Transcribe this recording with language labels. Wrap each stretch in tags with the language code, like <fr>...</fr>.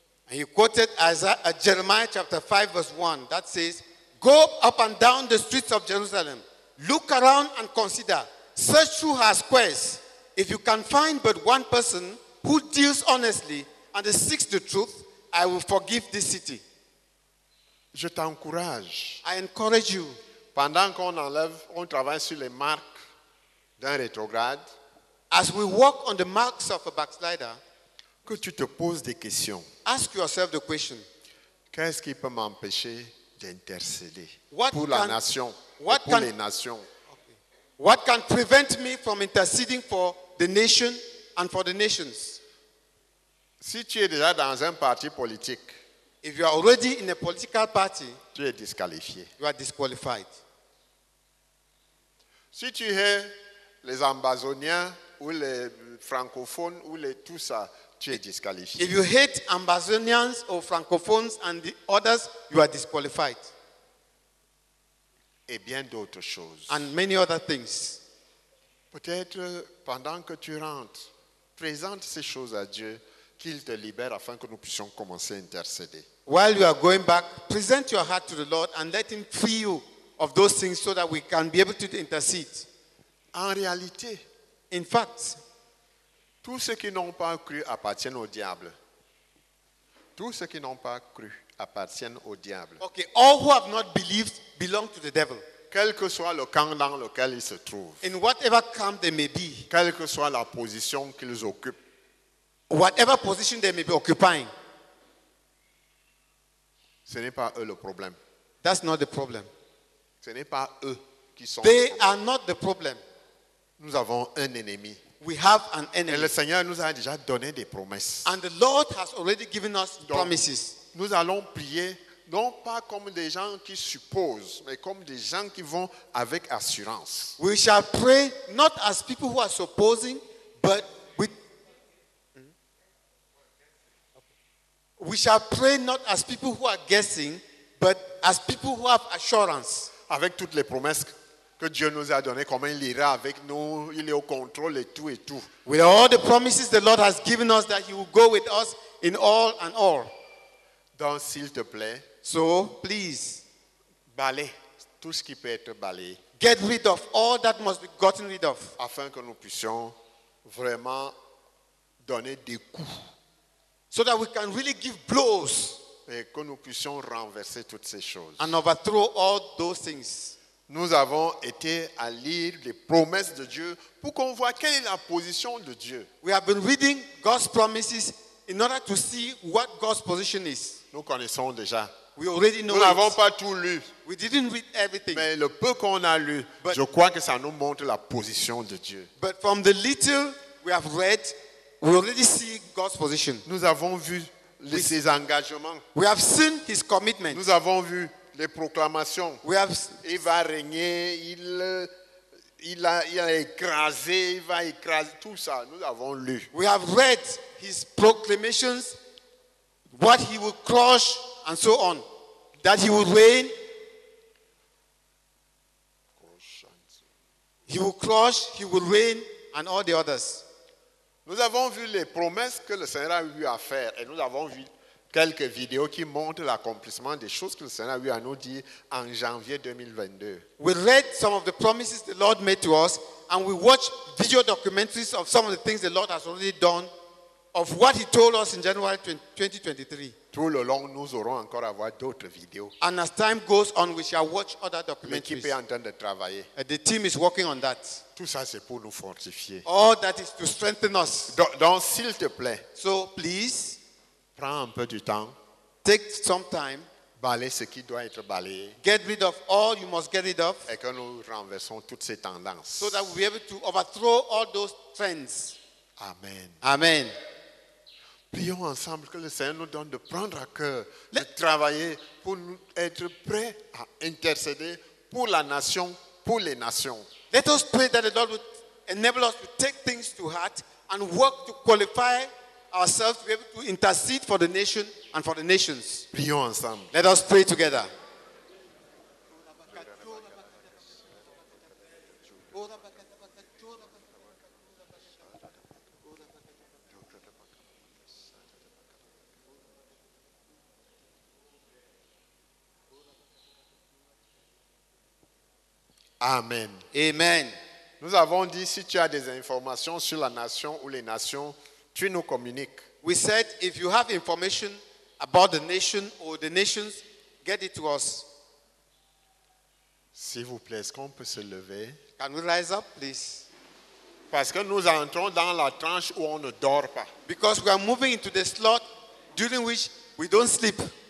<en>And he quoted Jeremiah chapter 5, verse 1, that says, go up and down the streets of Jerusalem. Look around and consider. Search through her squares. If you can find but one person who deals honestly and seeks the truth, I will forgive this city.</en> <fr>Je t'encourage.</fr> <en>I encourage you.</en> <fr>Pendant qu'on enlève, on travaille sur les marques d'un rétrograde.</fr> <en>As we walk on the marks of a backslider,</en> <fr>que tu te poses des questions.</fr> <en>Ask yourself the question.</en> <fr>Qu'est-ce qui peut m'empêcher d'intercéder pour la nation, pour les nations?</fr> <en>What can prevent me from interceding for the nation and for the nations?</en> <fr>Si tu es déjà dans un parti politique,</fr> <en>if you are already in a political party,</en> <fr>tu es disqualifié.</fr> <en>You are disqualified.</en> <fr>Si tu es les Ambazoniens ou les francophones ou les tout ça, tu es disqualifié.</fr> <en>If you hate Ambazonians or francophones and the others, you are disqualified.</en> <fr>Et bien d'autres choses.</fr> <en>And many other things.</en> <fr>Peut-être pendant que tu rentres, présente ces choses à Dieu, qu'il te libère afin que nous puissions commencer à intercéder.</fr> <en>While you are going back, present your heart to the Lord and let him free you of those things so that we can be able to intercede.</en> <fr>En réalité,</fr> <en>in fact,</en> <fr>tous ceux qui n'ont pas cru appartiennent au diable. Tous ceux qui n'ont pas cru appartiennent au diable.</fr> <en>Okay, all who have not believed belong to the devil.</en> <fr>Quel que soit le camp dans lequel ils se trouvent.</fr> <en>In whatever camp they may be.</en> <fr>Quelle que soit la position qu'ils occupent.</fr> <en>Whatever position they may be occupying.</en> <fr>Ce n'est pas eux le problème.</fr> <en>That's not the problem.</en> <fr>Ce n'est pas eux qui sont.</fr> <en>They are not the problem.</en> <fr>Nous avons un ennemi.</fr> <en>We have an enemy.</en> <fr>Et le Seigneur nous a déjà donné des promesses.</fr> <en>And the Lord has already given us promises.</en> <fr>Nous allons prier, non pas comme des gens qui supposent, mais comme des gens qui vont avec assurance.</fr> <en>We shall pray not as people who are supposing, but with. We shall pray not as people who are guessing, but as people who have assurance.</en> <fr>Avec toutes les promesses que Dieu nous a données, comment il ira avec nous, il est au contrôle et tout et tout.</fr> <en>With all the promises the Lord has given us that he will go with us in all and all.</en> <fr>Donc, s'il te plaît,</fr> <en>so, please,</en> <fr>balaye tout ce qui peut être balayé.</fr> <en>Get rid of all that must be gotten rid of.</en> <fr>Afin que nous puissions vraiment donner des coups.</fr> <en>So that we can really give blows.</en> <fr>Et que nous puissions renverser toutes ces choses.</fr> <en>And overthrow all those things.</en> <fr>Nous avons été à lire les promesses de Dieu pour qu'on voit quelle est la position de Dieu.</fr> <en>We have been reading God's promises in order to see what God's position is.</en> <fr>Nous connaissons déjà.</fr> <en>We already know</en> <fr>nous n'avons pas tout lu.</fr> <en>We didn't read everything.</en> <fr>Mais le peu qu'on a lu,</fr> <en>but,</en> <fr>je crois que ça nous montre la position de Dieu.</fr> <en>But from the little we have read, we already see God's position.</en> <fr>Nous avons vu ses engagements.</fr> <en>We have seen his commitment.</en> <fr>Nous avons vu les proclamations.</fr> <en>We have</en> <fr>il va régner, il va écraser tout ça. Nous avons lu.</fr> <en>We have read his proclamations. What he will crush and so on. That he will reign. He will crush, he will reign and all the others.</en> <fr>Nous avons vu les promesses que le Seigneur a eu à faire et nous avons vu quelques vidéos qui montrent l'accomplissement des choses que le Seigneur a eu à nous dire en janvier 2022.</fr> <en>We read some of the promises the Lord made to us and we watched video documentaries of some of the things the Lord has already done. Of what he told us in January 2023.</en> <fr>Tout le long, nous aurons encore à voir d'autres vidéos.</fr> <en>And as time goes on, we shall watch other documentaries.</en> <fr>L'équipe est en train de travailler.</fr> <en>The team is working on that.</en> <fr>Tout ça, c'est pour nous fortifier.</fr> <en>All that is to strengthen us.</en> <fr>Donc, s'il te plaît.</fr> <en>So, please.</en> <fr>Prends un peu du temps.</fr> <en>Take some time.</en> <fr>Balaye ce qui doit être balayé.</fr> <en>Get rid of all you must get rid of.</en> <fr>Et que nous renversons toutes ces tendances.</fr> <en>So that we'll be able to overthrow all those trends.</en> <fr>Amen.</fr> <en>Amen.</en> <fr>Prions ensemble que le Seigneur nous donne de prendre à cœur, de travailler pour nous être prêts à intercéder pour la nation, pour les nations.</fr> <en>Let us pray that the Lord would enable us to take things to heart and work to qualify ourselves to be able to intercede for the nation and for the nations.</en> <fr>Prions ensemble.</fr> <en>Let us pray together.</en> <fr>Amen.</fr> <en>Amen.</en> <fr>Nous avons dit, si tu as des informations sur la nation ou les nations, tu nous communiques.</fr> <en>We said, if you have information about the nation or the nations, get it to us.</en> <fr>S'il vous plaît, est-ce qu'on peut se lever?</fr> <en>Can we rise up, please?</en> <fr>Parce que nous entrons dans la tranche où on ne dort pas.</fr> <en>Because we are moving into the slot during which we don't sleep.</en>